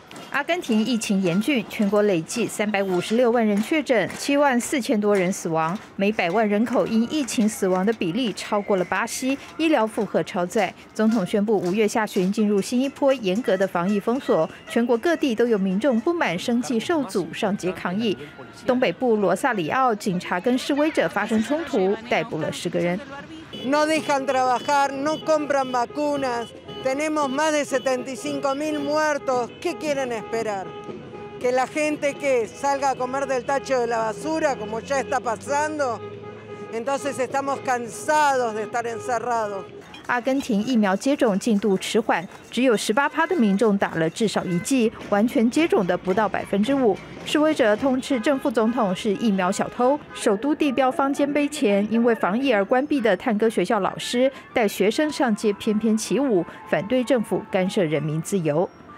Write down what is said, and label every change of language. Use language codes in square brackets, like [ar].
[zh] 阿根廷疫情严峻，全国累计356万人确诊，74000多人死亡，每100万人口因疫情死亡的比例超过了巴西，医疗负荷超载。总统宣布5月下旬进入新一波严格的防疫封锁，全国各地都有民众不满生计受阻，上街抗议。东北部罗萨里奥，警察跟示威者发生冲突，逮捕了10个人。 [es] No dejan trabajar, no compran vacunas. Tenemos más de 75,000 muertos. ¿Qué quieren esperar? ¿Que la gente que salga a comer del tacho de la basura, como ya está pasando? Entonces estamos cansados de estar encerrados. [zh] 阿根廷疫苗接种进度迟缓，只有18%的民众打了至少一剂，完全接种的不到5%。示威者痛斥正副总统是疫苗小偷。首都地标方尖碑前，因为防疫而关闭的探戈学校老师带学生上街翩翩起舞，反对政府干涉人民自由。